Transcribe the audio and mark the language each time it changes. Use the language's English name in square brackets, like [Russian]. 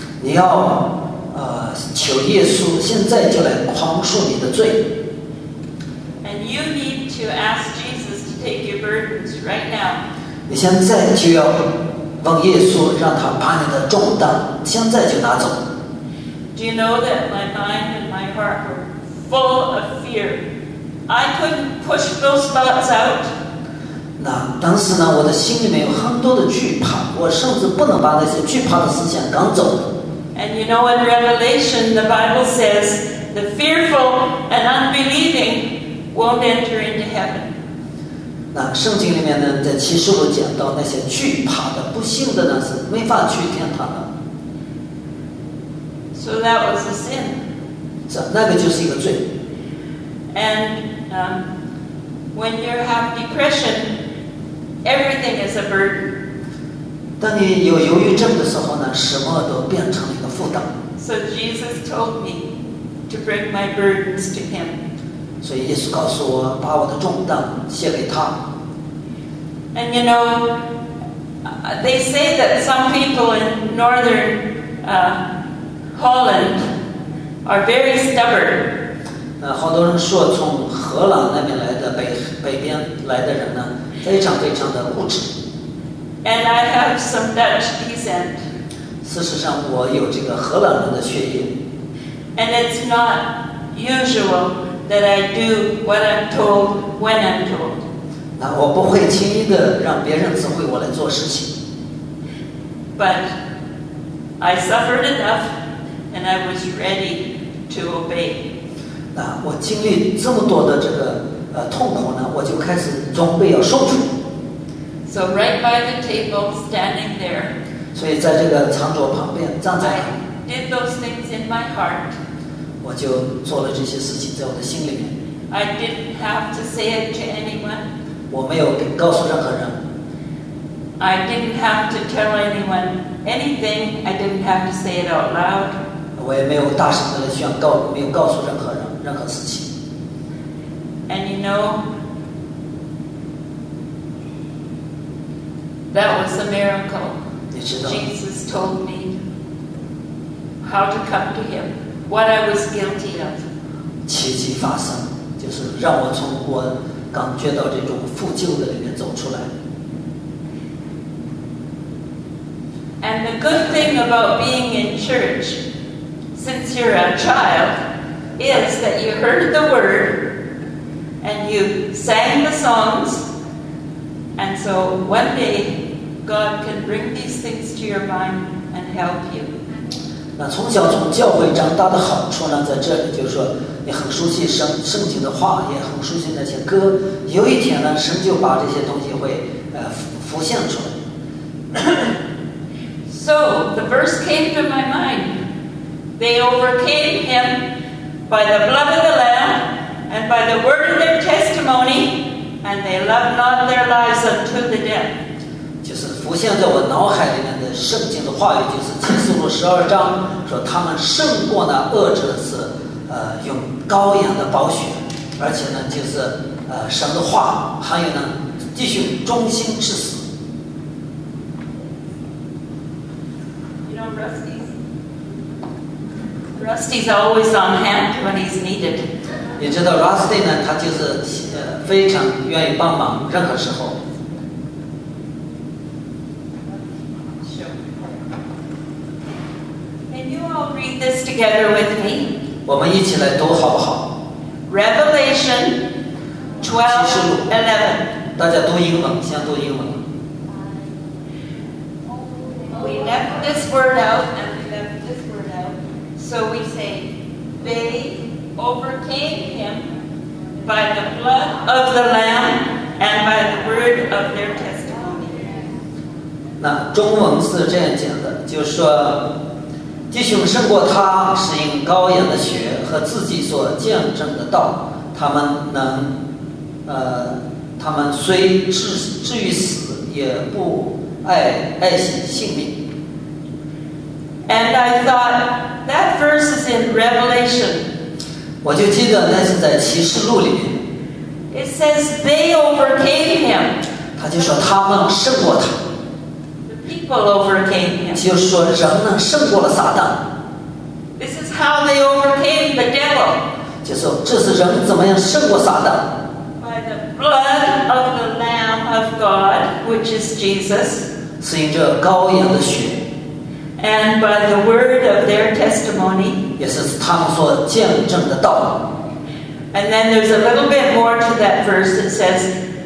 [Chinese] 你要求耶稣现在就来宽恕你的罪。 [English] And you need to ask Jesus to take your burdens right now. [Chinese] 你现在就要问耶稣，让他把你的重担现在就拿走。 [English] Do you know that my mind and my heart were full of fear? I couldn't push those thoughts out. [Chinese] 那当时呢，我的心里面有很多的惧怕，我甚至不能把那些惧怕的思想赶走。 [English] And you know, in Revelation, the Bible says the fearful and unbelieving won't enter into heaven. [Chinese] 那圣经里面呢，在启示录讲到那些惧怕的、不幸的呢，是没法去天堂的。 [English] So that was a sin. [Chinese] 那个就是一个罪。 [English] And when you have depression. Everything is a burden. [Chinese] 当你有忧郁症的时候呢，什么都变成了一个负担。 [English] So Jesus told me to bring my burdens to Him. [Chinese] 所以耶稣告诉我，把我的重担卸给他。 [English] And you know, they say that some people in northern, Holland are very stubborn. [Chinese] 好多人说从荷兰那边来的北边来的人呢，非常非常的固执。 [English] And I have some Dutch descent. [Chinese] 事实上，我有这个荷兰人的血液。 [English] And it's not usual that I do what I'm told when I'm told. [Chinese] 我不会轻易地让别人指挥我来做事情。 [English] But I suffered enough, and I was ready to obey. [Chinese] 那我经历这么多的这个痛苦呢，我就开始准备要受苦。 [English] So right by the table, standing there. [Chinese] 所以在这个长桌旁边站在那。 [English] I did those things in my heart. [Chinese] 我就做了这些事情在我的心里面。 [English] I didn't have to say it to anyone. [Chinese] 我没有告诉任何人。 [English] I didn't have to tell anyone anything. I didn't have to say it out loud. [Chinese] 我也没有大声地宣告，没有告诉任何人任何事情。 [English] And you know, that was a miracle. [Chinese] 你知道。 [English] Jesus told me how to come to Him, what I was guilty of. [Chinese] 奇迹发生，就是让我从我。感觉到这种负疚的里面走出来。 [English] And the good thing about being in church, since you're a child, is that you heard the word, and you sang the songs, and so one day God can bring these things to your mind and help you. [Chinese] 那从小从教会长大的好处呢，在这里就是说。你很熟悉圣经的话，也很熟悉那些歌。有一天呢，神就把这些东西会浮现出来。 [English] So the verse came to my mind. They overcame him by the blood of the Lamb and by the word of their testimony, and they loved not their lives unto the death. [Chinese] 就是浮现在我脑海里面的圣经的话语，就是启示录十二章说他们胜过那恶者是。用羔羊的宝血，而且呢，就是神的话，还有呢，继续忠心至死。 [English] You know, Rusty's always on hand when he's needed. [Chinese] 你知道 Rusty 呢，他就是非常愿意帮忙，任何时候。 [English] Sure. Can you all read this together with me? [Chinese] 我们一起来读好不好 [English] ？Revelation 12:11。 [Chinese] 大家读英文，先读英文。 [English] We left this word out, and we left this word out. So we say, they overcame him by the blood of the Lamb and by the word of their testimony. [Chinese] 那中文是这样讲的，就是说。弟兄胜过他是因羔羊的血和自己所见证的道，他们虽至于死也不爱惜性命。 [English] And I thought that verse is in Revelation. [Chinese] 我就记得那是在启示录里面。 [English] It says they overcame him. [Chinese] 他就说他们胜过他。 [English] People overcame him. [Chinese] 就是说人呢胜过了撒旦。 [English] This is how they overcame the devil. [Chinese] 就是这是人怎么样胜过撒旦。 [English] By the blood of the Lamb of God, which is Jesus. [Chinese] 是因着羔羊的血。 [English] And by the word of their testimony. [Chinese] 也是他们所见证的道。 [English] And then there's a little bit more to that verse that says.